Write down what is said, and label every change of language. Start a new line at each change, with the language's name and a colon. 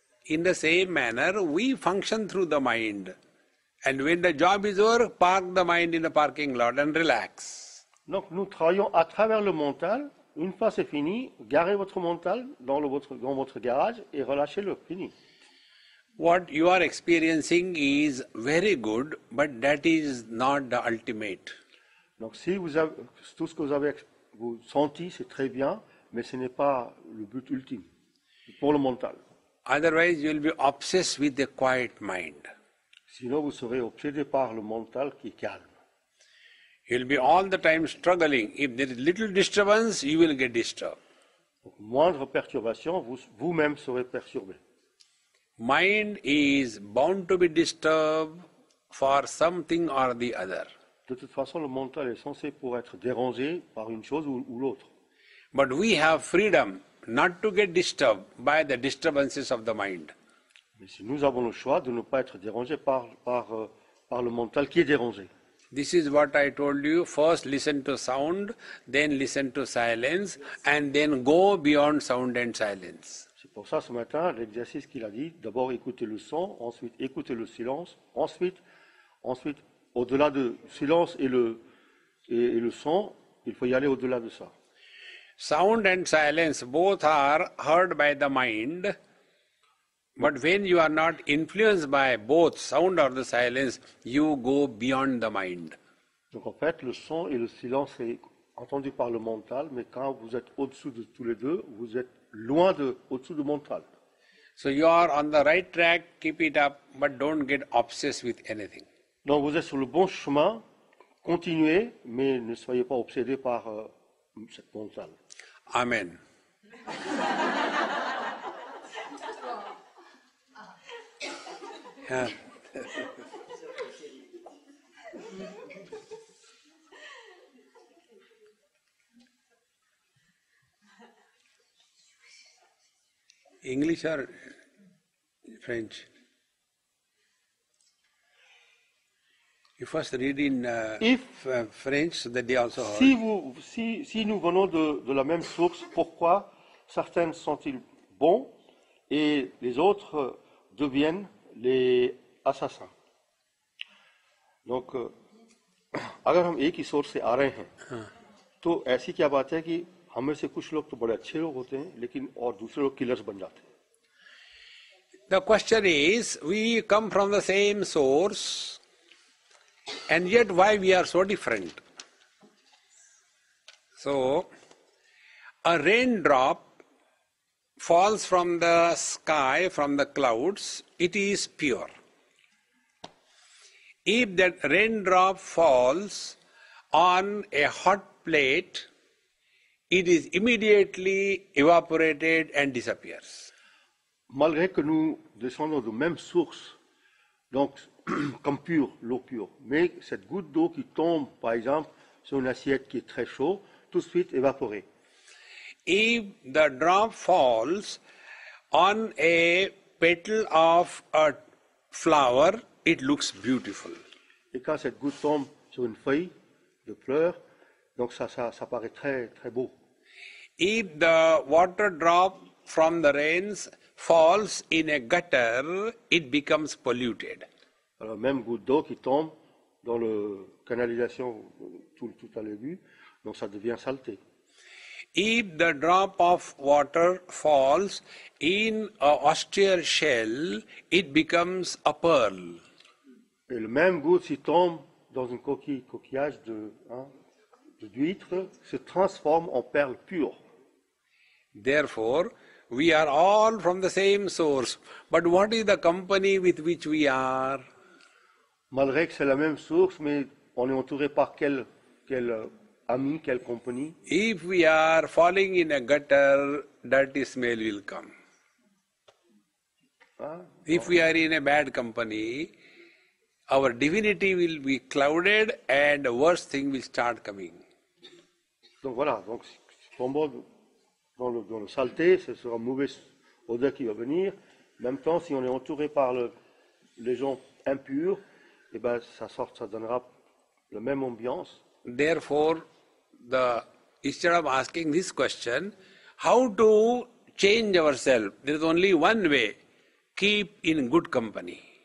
English: In the same manner, we function through the mind. And when the job is over, park the mind in the parking lot and relax.
French: Donc nous travaillons à travers le mental. Une fois c'est fini, garez votre mental dans votre garage et relâchez-le. Fini.
English: What you are experiencing is very good, but that is not the ultimate.
French: Donc si vous avez, tout ce que vous sentez, c'est très bien, mais ce n'est pas le but ultime. Pour le mental.
English: Otherwise, you will be obsessed with the quiet mind.
French: Sinon, vous serez obsédé par le mental qui est calme.
English: You will be all the time struggling. If there is little disturbance, you will get disturbed.
French: Donc, moindre perturbation, vous-même serez perturbé.
English: Mind is bound to be disturbed for something or the other.
French: De toute façon, le mental est censé pour être dérangé par une chose ou l'autre.
English: But we have freedom. Not to get disturbed by the disturbances of the mind.
French: Mais si nous avons le choix de ne pas être dérangés par le mental qui est dérangé.
English: This is what I told you. First listen to sound, then listen to silence, and then go beyond sound and silence.
French: C'est pour ça ce matin l'exercice qu'il a dit. D'abord écoutez le son, ensuite écoutez le silence, ensuite au-delà du silence et le son, il faut y aller au-delà de ça.
English: Sound and silence both are heard by the mind, but when you are not influenced by both sound or the silence, you go beyond the mind.
French: Donc en fait, le son et le silence est entendu par le mental, mais quand vous êtes au-dessous de tous les deux, vous êtes loin de au-dessous du mental.
English: So you are on the right track, keep it up, but don't get obsessed with anything.
French: Donc vous êtes sur le bon chemin, continuez, mais ne soyez pas obsédé par cette mentale.
English: Amen. English or French. You first read in French, so that they also.
French: Si vous, si nous venons de la même source, pourquoi certains sont-ils bons et les autres deviennent les assassins?
Hindi: Donc, अगर हम एक ही source से आ रहे हैं, तो ऐसी क्या बात है कि हमें से कुछ लोग तो बड़े अच्छे लोग होते हैं, लेकिन और दूसरे लोग किलर्स बन जाते हैं।
English: The question is, we come from the same source, and yet why we are so different? So, a raindrop falls from the sky, from the clouds, it is pure. If that raindrop falls on a hot plate, it is immediately evaporated and disappears.
French: Malgré que nous descendons de même source, donc comme pure, l'eau pure, mais cette goutte d'eau qui tombe, par exemple, sur une assiette qui est très chaude, tout de suite évaporée.
English: If the drop falls on a petal of a flower, it looks beautiful.
French: Et quand cette goutte tombe sur une feuille de fleur, donc ça paraît très très beau.
English: If the water drop from the rains falls in a gutter, it becomes polluted.
French: Alors même goutte d'eau qui tombe dans le canalisation tout à l'égout, donc ça devient saleté.
English: If the drop of water falls in a austere shell, it becomes a pearl.
French: Et le même goutte s'il tombe dans une coquillage d'huître, se transforme en perle pure.
English: Therefore, we are all from the same source. But what is the company with which we are?
French: Malgré que c'est la même source, mais on est entouré par quel ami, quelle compagnie?
English: If we are falling in a gutter, dirty smell will come. If we are in a bad company, our divinity will be clouded and a worse thing will start coming.
French: Donc voilà, donc si on tombe dans le saleté, ce sera une mauvaise odeur qui va venir. En même temps, si on est entouré par les gens impurs, eh ben, ça donnera la même ambiance.
English: Therefore, instead of asking this question, how to change ourselves, there is only one way, keep in good company.